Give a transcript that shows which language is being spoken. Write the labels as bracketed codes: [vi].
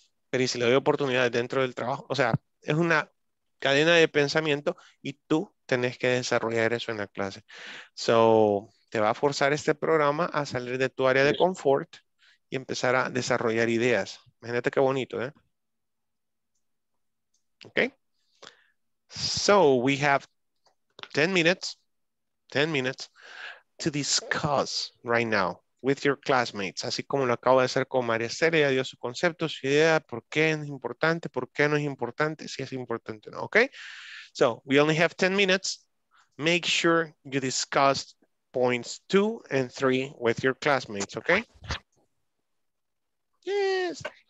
[es] Pero ¿y si le doy oportunidades dentro del trabajo? O sea, es una cadena de pensamiento y tú tenés que desarrollar eso en la clase. So, te va a forzar este programa a salir de tu área de confort y empezar a desarrollar ideas. Imagínate qué bonito, ¿eh? Ok. [en] So, we have 10 minutes to discuss right now with your classmates. [es] Así como lo acabo de hacer con María Estela, ya dio su concepto, su idea, por qué es importante, por qué no es importante, si es importante o no, ¿ok? [en] So, we only have 10 minutes. Make sure you discuss points 2 and 3 with your classmates, ¿ok? Yes.